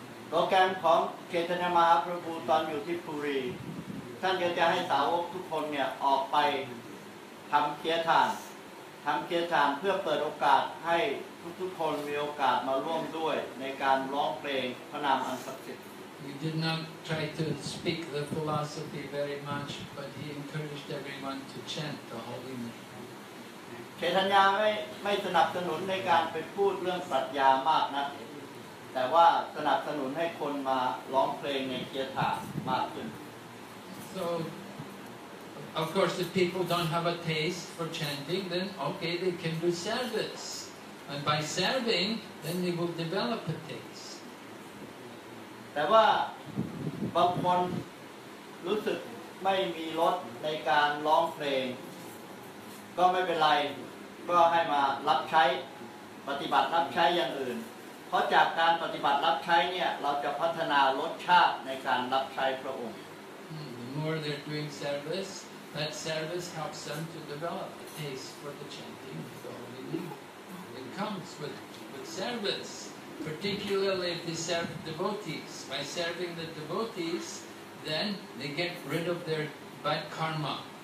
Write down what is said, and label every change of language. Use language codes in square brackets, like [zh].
[en] Program of Chaitanya Mahaprabhu when he was in Puri, he wanted to have all the devotees go and do kirtan. Do kirtan to open the opportunity for all the devotees to participate in singing the name of Krishna. He did not try to speak the philosophy very much, but he encouraged everyone to chant the holy name. [th] Chaitanya ไม่สนับสนุนในการไปพูดเรื่องปรัชญามากนะแต่ว่าสนับสนุนให้คนมาร้องเพลงในเคียร์ทานมากขึ้น [en] So, of course, if people don't have a taste for chanting, then okay, they can do service. And by serving, then they will develop a taste. [th] แต่ว่าบางคนรู้สึกไม่มีรสในการร้องเพลงก็ไม่เป็นไรก็ให้มารับใช้ปฏิบัติรับใช้อย่างอื่นเพราะจากการปฏิบัติรับใช้เนี่ยเราจะพัฒนารสชาติในการรับใช้พระองค์ [en] You more they're doing service, that service helps them to develop a taste for the chanting of the Holy Name. It comes with service, particularly if they serve devotees. By serving the devotees, then they get rid of their bad karma.